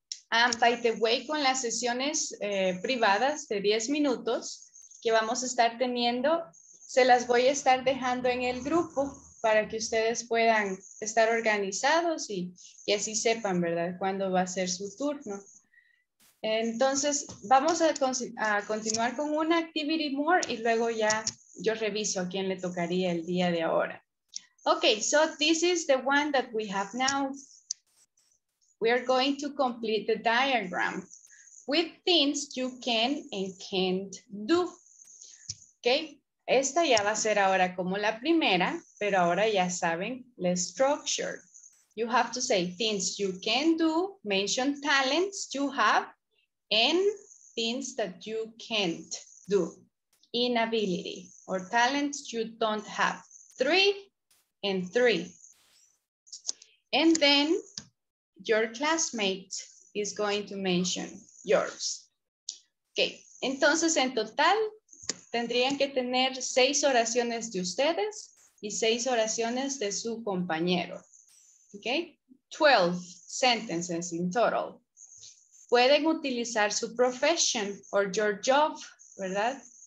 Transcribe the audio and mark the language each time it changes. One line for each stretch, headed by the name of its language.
English: By the way,
Spanish: con las sesiones privadas de 10 minutos que vamos a estar teniendo, se las voy a estar dejando en el grupo para que ustedes puedan estar organizados y así sepan, ¿verdad?, cuándo va a ser su turno. Entonces, vamos a continuar con una
English: activity more
Spanish: y luego ya yo reviso a quién le tocaría el día de ahora.
English: Okay, so this is the one that we have now. We are going to complete the diagram with things you can and can't do.
Spanish: Okay, esta ya va a ser ahora como la primera, pero ahora ya saben la structure.
English: You have to say things you can do, mention talents you have, and things that you can't do. Inability or talents you don't have. Three and three. And then your classmate is going to mention yours.
Spanish: Okay, entonces en total tendrían que tener 6 oraciones de ustedes y 6 oraciones de su compañero.
English: Okay, 12 sentences in total.
Spanish: Pueden utilizar su
English: profession or your job,
Spanish: ¿verdad?